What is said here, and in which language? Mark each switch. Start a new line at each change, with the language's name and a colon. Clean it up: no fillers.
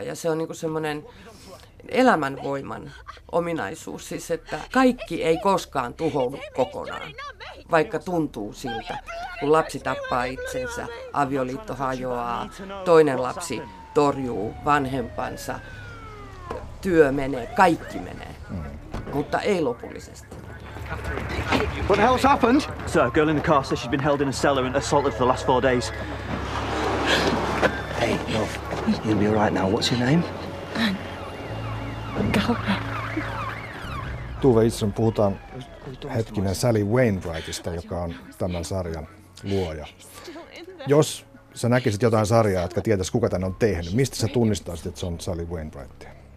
Finnish: Ja se on niin kuin semmoinen elämänvoiman ominaisuus, siis että kaikki ei koskaan tuhoudu kokonaan, vaikka tuntuu siltä, kun lapsi tappaa itsensä, avioliitto hajoaa, toinen lapsi torjuu vanhempansa, työ menee, kaikki menee. Mutta ei lopullisesti.
English: What the hell's happened? Sir, girl in the car says she's been held in a cellar and assaulted for the last 4 days. Hey, love, you'll be all right now. What's your name?
Finnish: Tuve Itsen, puhutaan hetkinen Sally Wainwrightista, joka on tämän sarjan luoja. Jos sä näkisit jotain sarjaa, jotka tietäis kuka tän on tehnyt, mistä sä tunnistaisit, että se on Sally Wainwrightia?